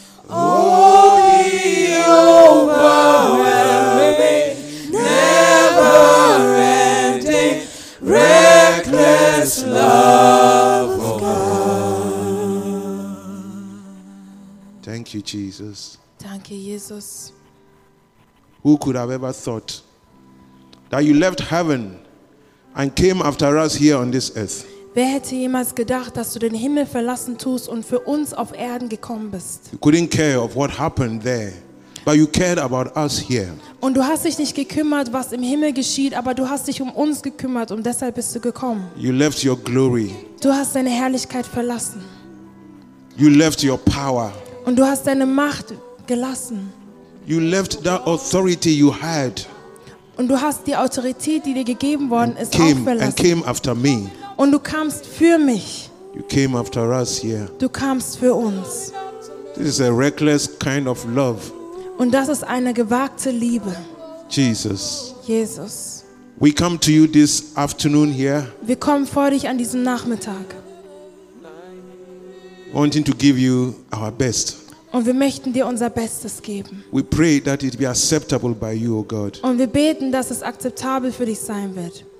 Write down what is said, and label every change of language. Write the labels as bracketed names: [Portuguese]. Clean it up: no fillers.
[English] Oh, the overwhelming, never-ending, reckless love of God. Thank you, Jesus. Thank you, Jesus. Who could have ever thought that you left heaven and came after us here on this earth? [German] Wer hätte jemals gedacht, dass du den Himmel verlassen tust und für uns auf Erden gekommen bist? [English] You couldn't care of what happened there, but you cared about us here. [German] Und du hast dich nicht gekümmert, was im Himmel geschieht, aber du hast dich um uns gekümmert und deshalb bist du gekommen. [English] You left your glory. [German] Du hast deine Herrlichkeit verlassen. [English] You left your power. [German] Und du hast deine Macht gelassen. [English] You left that authority you had. [German] Und du hast die Autorität, die dir gegeben worden ist, auch verlassen. [English] And came after me. [German] Und du kamst für mich. [English] You came after us here. [German] Du kamst für uns. [English] This is a reckless kind of love. [German] Und das ist eine gewagte Liebe. [English] Jesus. Jesus. We come to you this afternoon here. [German] Wir kommen vor dich an diesem Nachmittag. [English] Wanting to give you our best. [German] Und wir möchten dir unser Bestes geben. [English] We pray that it be acceptable by you, O God. [German] Und wir beten, dass es akzeptabel für dich sein wird.